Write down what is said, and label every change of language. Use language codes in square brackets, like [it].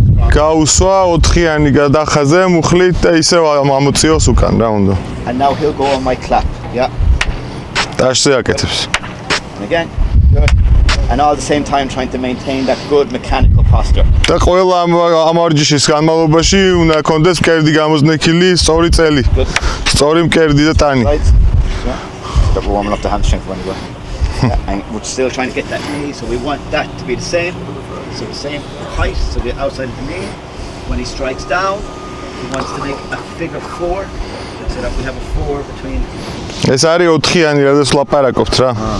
[ka] გაუსვა 4-იანი გადახაზე მუხლით და ისე ამოწიოს უკან რა უნდა. [en] And now he'll go on my clap. Yeah. [ka] დაშზე აკეთებს. [en] Again. And all the same time trying to maintain that good mechanical posture. [ka] და ყველა ამ ვარჯიშის განმავლობაში უნდა კონდეს მკერდი გამოზნექილი, სწორი წელი. სწორი მკერდი და ტანი. [en] Right. Yeah. Double one up the hamstring when you go. And we're still trying to get that knee, so we want that to be the same. So the same height, so the outside of the knee. When he strikes down, he wants to make a figure four. So that we have a four between. [ka] ეს არის 4-იანი რა დას ლაპარაკობთ რა.